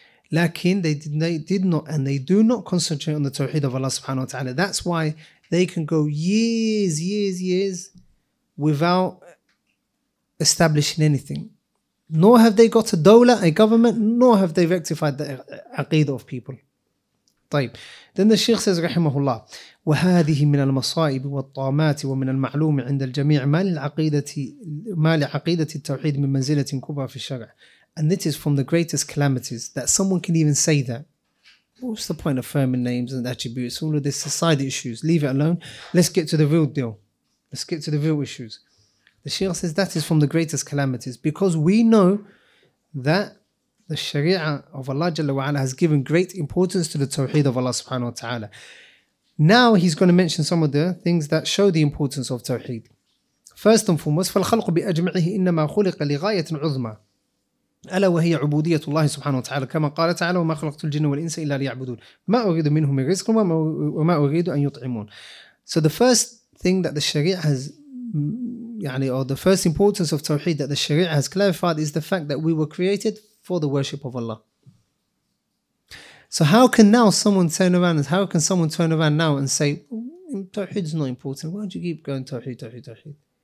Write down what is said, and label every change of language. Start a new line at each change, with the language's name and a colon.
English: Lakin, they did not, and they do not concentrate on the tawheed of Allah subhanahu wa ta'ala. That's why they can go years without establishing anything. Nor have they got a dawla, a government, nor have they rectified the aqeedah of people.
Arabic: طيب لأن الشيخ سيد رحمه الله وهذه من المصائب والطامات ومن المعلوم عند الجميع ما لعقيدة التوحيد من منزلة كبرى في الشرع.
English: And it is from the greatest calamities that someone can even say that. What's the point of affirming names and attributes? All of this society issues. Leave it alone. Let's get to the real deal. Let's get to the real issues. The Shaykh says that is from the greatest calamities because we know that the Sharia of Allah Jalla wa Ala has given great importance to the Tawheed of Allah Subhanahu wa Ta'ala. Now he's going to mention some of the things that show the importance of Tawheed. First and foremost,
Arabic: فَالْخَلْقُ بِأَجْمَعِهِ إِنَّمَا خُلِقَ لِغَايَةٍ عُظْمَى ألا وهي عبودية الله سبحانه وتعالى كما قال تعالى وما خلقت الجن والإنس إلا ليعبدون ما أريد منهم من رزق وما أريد أن يطعمون.
English: So the first thing that the Sharia has or the first importance of Tawheed that the Sharia has clarified is the fact that we were created for the worship of Allah. So how can someone turn around now and say Tawheed is not important, why don't you keep going Tawheed?